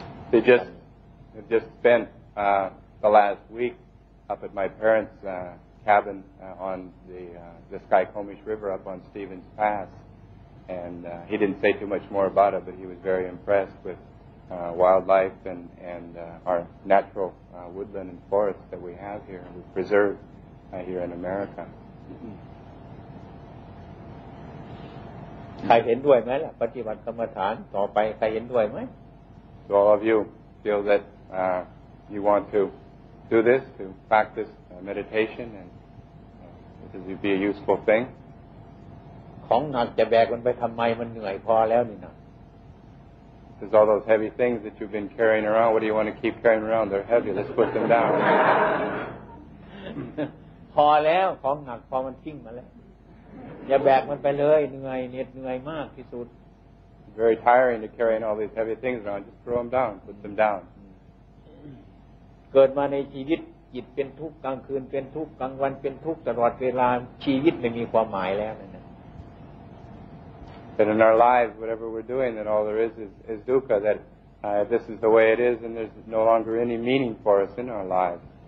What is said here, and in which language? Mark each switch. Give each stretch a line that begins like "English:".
English: They just spent the last week up at my parents' cabin on the Skykomish River up on Stevens Pass, and he didn't say too much more about it, but he was very impressed with wildlife and our natural woodland and forest that we have here, we preserve here in America.
Thai: ใครเห็นด้วยไหมล่ะปฏิบัติกรรมฐานต่อไปใครเห็นด้วยไหม
English: So all of you feel that you want to do this to practice meditation and it would be a useful thing
Thai: ของหนักจะแบกมันไปทำไมมันเหนื่อยพอแล้วนี่นะ
English: There's all those heavy things that you've been carrying around what do you want to keep carrying around they're heavy let's put them down
Thai: พอแล้วของหนักพอมันทิ้งมาแล้วอย่าแบกมันไปเลยเหนื่อยเหน็ดเหนื่อยมากที่สุด
English: Very tiring to carry all these heavy things around just throw them down put them down
Thai: เกิดมาในชีวิตจิตเป็นทุกข์กลางคืนเป็นทุกข์กลางวันเป็นทุกข์ตลอดเวลาชีวิตไม่มีความหมายแล้วนะ
English: But in our lives whatever we're doing that all there is dukkha that this is the way it is and there's no longer any meaning for us in our lives